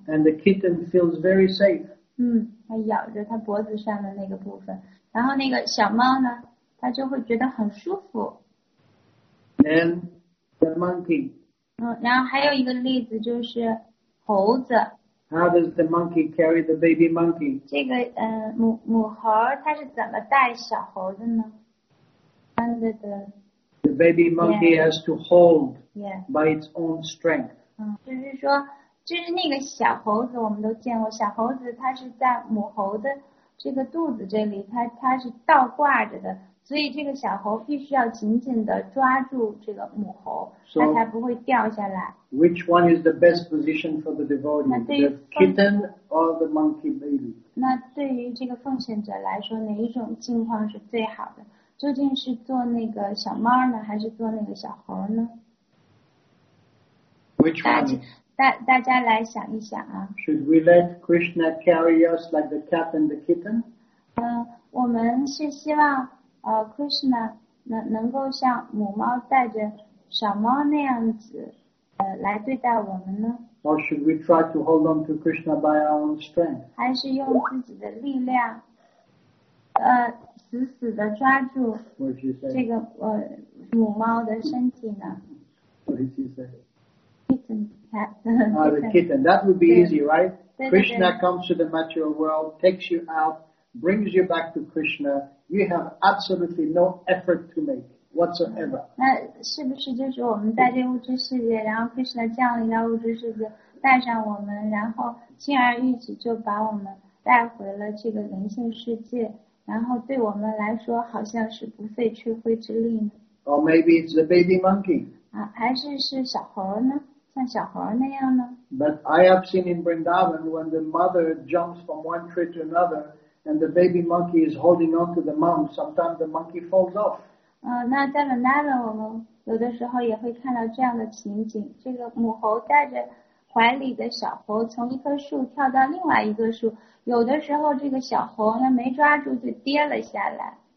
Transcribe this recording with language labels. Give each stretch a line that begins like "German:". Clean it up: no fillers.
English: And the kitten feels very safe.
Chinese: 它咬着它脖子上的那个部分，然后那个小猫呢，它就会觉得很舒服。
English: Then. The monkey.
Chinese: 然后还有一个例子就是猴子。
English: How does the monkey carry the baby monkey?
Chinese: 这个母猴它是怎么带小猴子呢 ？
English: Under the. The baby monkey yeah, has to hold. Yeah. By its own strength.
Chinese: 就是说，就是那个小猴子，我们都见过，小猴子它是在母猴的这个肚子这里，它是倒挂着的。所以这个小猴必须要紧紧地抓住这个母猴，它才不会掉下来。
English: Which one is the best position for the devotee, the kitten or the monkey baby?
Chinese: 那对于这个奉献者来说，哪一种境况是最好的？究竟是做那个小猫呢，还是做那个小猴呢
English: ？Which one?
Chinese: 大家来想一想啊。
English: Should we let Krishna carry us like the cat and the kitten?
Chinese: 我们是希望。Krishna 能够像母猫带着小猫那样子来对待我们呢
English: ？Or should we try to hold on to Krishna by our own strength？
Chinese: 还是用自己的力量，死死的抓住这个母猫的身体呢
English: ？What did you say？ Kitten, cat. The kitten. That would be easy, right？ Krishna comes to the material world, takes you out, brings you back to Krishna. You have absolutely no effort to make whatsoever.
Chinese: 那是不是就是我们在这物质世界，然后开始了降临到物质世界，带上我们，然后轻而易举就把我们带回了这个灵性世界，然后对我们来说好像是不费吹灰之力呢
English: ？Or maybe it's the baby monkey.
Chinese: 还是小猴呢？像小猴那样呢
English: ？But I have seen in Vrindavan when the mother jumps from one tree to another. And the baby monkey is holding on to the mom. Sometimes the monkey falls off.
Chinese: 那在伦纳文，我们有的时候也会看到这样的情景：这个母猴带着怀里的小猴从一棵树跳到另外一棵树，有的时候这个小猴它没抓住就跌了下来。